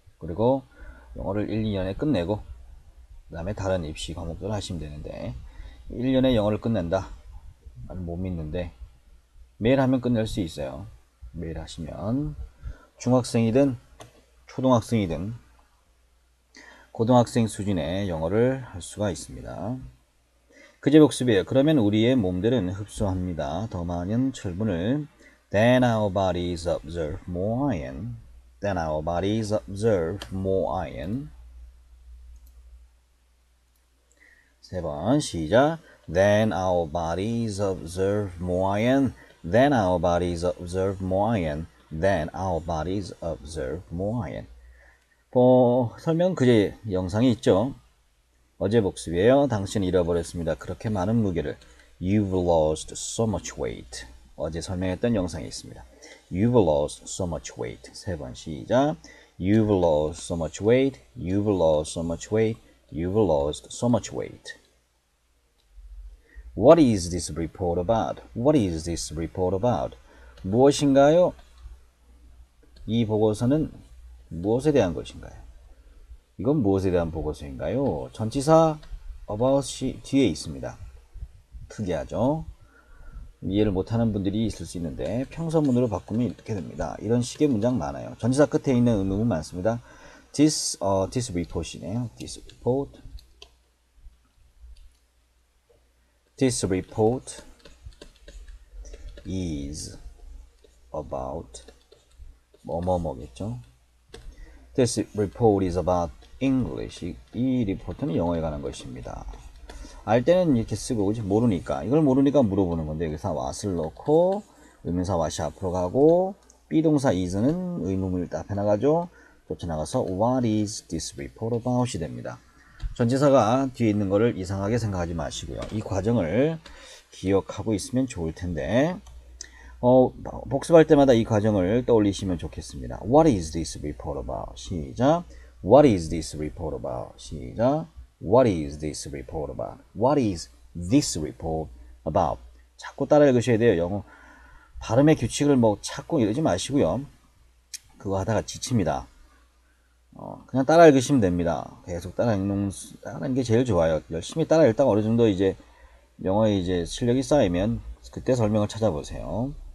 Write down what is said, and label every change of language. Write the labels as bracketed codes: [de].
[ko] 그리고 영어를 1, 2년에 끝내고 그 다음에 다른 입시 과목들을 하시면 되는데 1년에 영어를 끝낸다 못 믿는데 매일 하면 끝낼 수 있어요. 매일 하시면 중학생이든 초등학생이든 고등학생 수준의 영어를 할 수가 있습니다. 그제 복습이에요. 그러면 우리의 몸들은 흡수합니다. 더 많은 철분을 [en] Then our bodies absorb more iron. Then our bodies absorb more iron. [ko] 세 번 시작. [en] Then our bodies absorb more iron. Then our bodies absorb more iron. Then our bodies absorb more iron. [ko] 설명 그제 영상이 있죠. 어제 복습이에요. 당신 잃어버렸습니다. 그렇게 많은 무게를. [en] You've lost so much weight. [ko] 어제 설명했던 영상이 있습니다. [en] You've lost so much weight. [ko] 세 번 시작. [en] You've lost so much weight. You've lost so much weight. You've lost so much weight. What is this report about? What is this report about? [ko] 무엇인가요? 이 보고서는 무엇에 대한 것인가요? 이건 무엇에 대한 보고서인가요? 전치사 about이 뒤에 있습니다. 특이하죠? 이해를 못하는 분들이 있을 수 있는데 평서문으로 바꾸면 이렇게 됩니다. 이런 식의 문장 많아요. 전치사 끝에 있는 의문은 많습니다. [en] This report이네요. This report. This report is about [ko] 뭐뭐뭐겠죠? [en] This report is about English. [ko] 이 리포트는 영어에 관한 것입니다. 알 때는 이렇게 쓰고 모르니까 이걸 모르니까 물어보는 건데 여기서 what을 넣고 의문사 what이 앞으로 가고 비동사 is는 의문을 답해 나가죠. 쫓아 나가서 [en] what is this report about이 됩니다. [ko] 전치사가 뒤에 있는 것을 이상하게 생각하지 마시고요. 이 과정을 기억하고 있으면 좋을 텐데 복습할 때마다 이 과정을 떠올리시면 좋겠습니다. [en] What is this report about? [ko] 시작. [en] What is this report about? [ko] 시작. [en] What is this report about? What is this report about? [ko] 자꾸 따라 읽으셔야 돼요. 영어 발음의 규칙을 뭐 찾고 이러지 마시고요. 그거 하다가 지칩니다. 그냥 따라 읽으시면 됩니다. 계속 따라 읽는 게 제일 좋아요. 열심히 따라 읽다가 어느 정도 이제 영어에 이제 실력이 쌓이면 그때 설명을 찾아보세요.